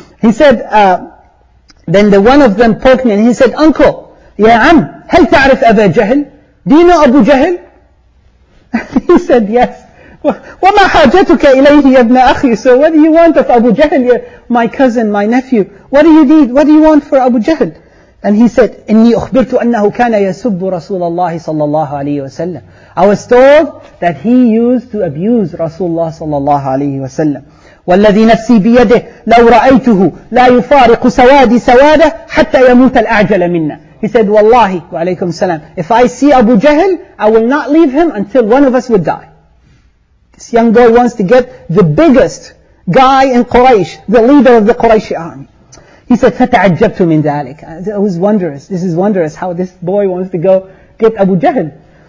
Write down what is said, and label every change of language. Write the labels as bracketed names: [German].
[English] He said, then the one of them poked me and he said, Uncle, Ya Am, [Arabic] هل تعرف أبا جهل? [English] Do you know Abu Jahl? He said, yes. [Arabic] وَمَا حَاجَتُكَ إِلَيْهِ يَبْنَ أَخِي. [English] So what do you want of Abu Jahl, my cousin, my nephew? What do you need? What do you want for Abu Jahl? And he said, [Arabic] إِنِّي أُخْبِرْتُ أَنَّهُ كَانَ يَسُبُّ رَسُولَ اللَّهِ صَلَّى اللَّهُ عَلَيْهِ وَسَلَّمْ. [English] I was told that he used to abuse Rasulullah صلى الله عليه وسلم. [Arabic] وَالَّذِي نَفْسِي بِيَدِهِ لَوْ رَأَيْتُهُ لَا يُفَارِقُ سَوَادِ سَوَادَهُ حَتَّى يَمُوتَ الْأَعْجَلَ مِنَّا. [English] He said, Wallahi, wa alaykum salam, if I see Abu Jahl, I will not leave him until one of us would die. This young girl wants to get the biggest guy in Quraysh, the leader of the Qurayshi army. He said, [Arabic] فَتَعَجَّبْتُ مِنْ ذَلِكَ. [English] It was wondrous. This is wondrous how this boy wants to go get Abu Jahl.